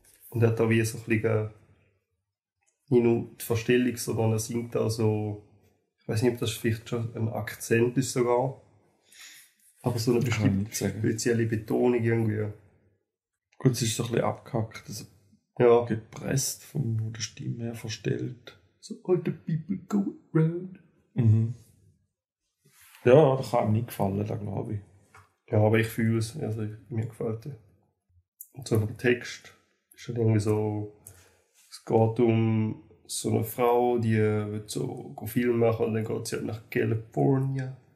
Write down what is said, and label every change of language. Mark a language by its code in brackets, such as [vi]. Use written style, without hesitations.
[de] Und er hat da wie so ein bisschen nicht nur die Verstellung, sondern er singt da so, ich weiß nicht, ob das vielleicht schon ein Akzent ist sogar, aber so eine bestimmte spezielle Betonung irgendwie. Gut, es ist so ein bisschen abgehackt, also ja, gepresst von der Stimme her verstellt. [en] So, all the people go around. Mhm. [de] Ja, das kann ihm nicht gefallen, da glaube ich. Ja, aber ich fühle es, also mir gefällt es. Und so vom Text ist halt irgendwie so, es geht um so eine Frau, die will so Film machen und dann geht sie halt nach California.